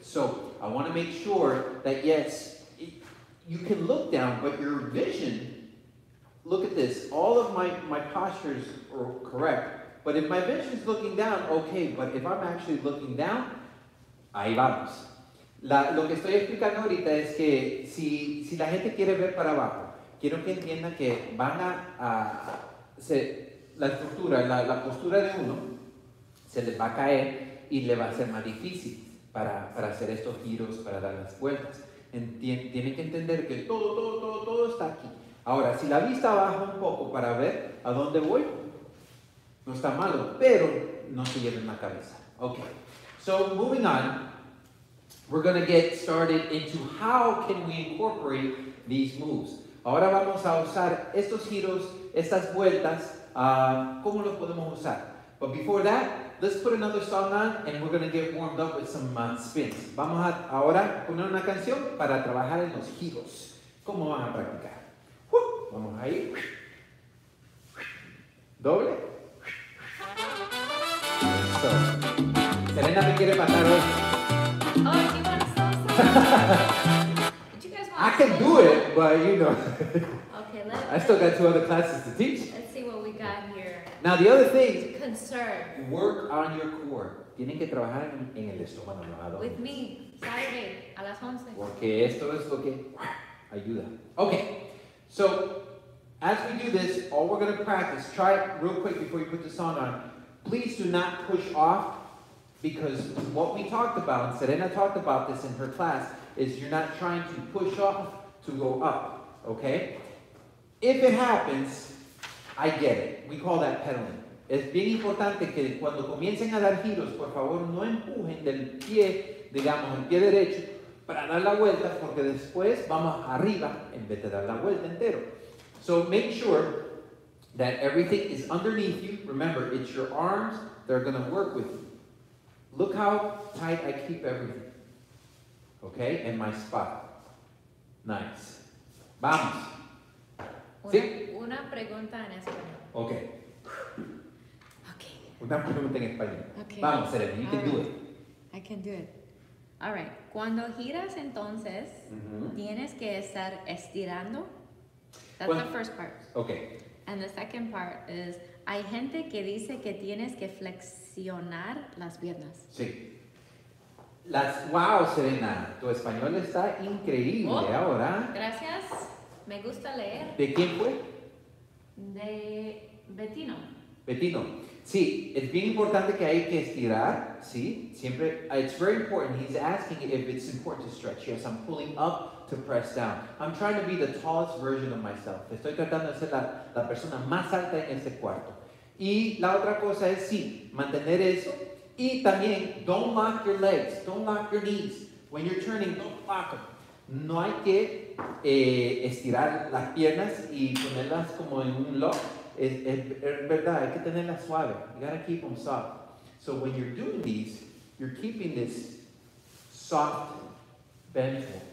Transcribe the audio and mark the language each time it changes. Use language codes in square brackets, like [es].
[en] So I want to make sure that, yes, you can look down, but your vision, look at this, all of my postures are correct, but if my vision's looking down, okay, but if I'm actually looking down, [es] ahí vamos. Lo que estoy explicando ahorita es que si la gente quiere ver para abajo, quiero que entiendan que van la estructura, la postura de uno, se les va a caer y le va a ser más difícil para hacer estos giros, para dar las vueltas. Tienen que entender que todo está aquí. Ahora, si la vista baja un poco para ver a dónde voy, no está malo, pero no se lleven la cabeza. [en] Okay, so moving on, we're going to get started into how can we incorporate these moves. [es] Ahora vamos a usar estos giros, estas vueltas, ¿cómo los podemos usar? [en] But before that, let's put another song on and we're going to get warmed up with some spins. [es] Vamos a ahora poner una canción para trabajar en los giros. ¿Cómo van a practicar? Vamos ahí. Doble. Listo. Serena me quiere matar hoy. [en] Oh, you want to I can do it, but you know. Okay, let's. I still got two other classes to teach. Let's see what we got here. Now, the other thing. Concern. Work on your core. [es] Tienen que trabajar en el estómago. [en] With me, Saturday, [es] a las 11. Porque esto es lo que ayuda. [en] Okay, so as we do this, all we're going to practice, try it real quick before you put the song on. Please do not push off, because what we talked about, and Serena talked about this in her class, is you're not trying to push off to go up, okay? If it happens, I get it. We call that pedaling. [es] Es bien importante que cuando comiencen a dar giros, por favor, no empujen del pie, digamos, el pie derecho, para dar la vuelta, porque después vamos arriba en vez de dar la vuelta entero. [en] So make sure that everything is underneath you. Remember, it's your arms that are going to work with you. Look how tight I keep everything. Okay, in my spot. Nice. Vamos. [es] Una, ¿sí? Una pregunta en español. [en] Okay. Okay. [es] Una pregunta en español. [en] Okay. Vamos, Serena, you can do it. I can do it. All right. [es] Cuando giras entonces, [en] mm-hmm. [es] tienes que estar estirando. [en] That's the first part. Okay. And the second part is, [es] hay gente que dice que tienes que flexionar las piernas. Sí. Las, wow, Serena, tu español está increíble ahora. Gracias. Me gusta leer. ¿De quién fue? De Bettino. Bettino. Sí, es bien importante que hay que estirar, ¿sí? [en] Siempre, it's very important. He's asking if it's important to stretch. Yes, I'm pulling up to press down. I'm trying to be the tallest version of myself. [es] Estoy tratando de ser la persona más alta en ese cuarto. Y la otra cosa es, sí, mantener eso. Y también, [en] don't lock your legs. Don't lock your knees. When you're turning, don't lock them. [es] No hay que estirar las piernas y ponerlas como en un lock. Es verdad, hay que tenerla suave. [en] You gotta keep them soft. So when you're doing these, you're keeping this soft, bent.